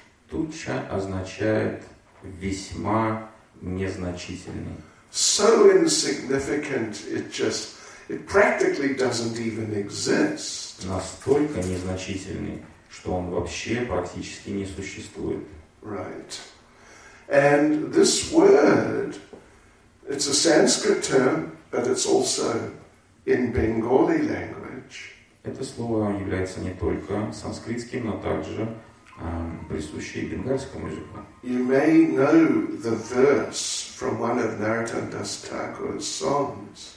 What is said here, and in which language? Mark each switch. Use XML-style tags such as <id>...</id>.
<ru>Tucha означает весьма незначительный.</ru> <en>So insignificant, it practically doesn't even exist.</en> <ru>Настолько незначительный, что он вообще практически не существует.</ru> <en>Right. And this word, it's a Sanskrit term, but it's also in Bengali language.</en> <ru>Это слово является не только санскритским, но также присущие бенгальскому языку.</ru> <en>You may know the verse from one of Narottam Das songs.</en>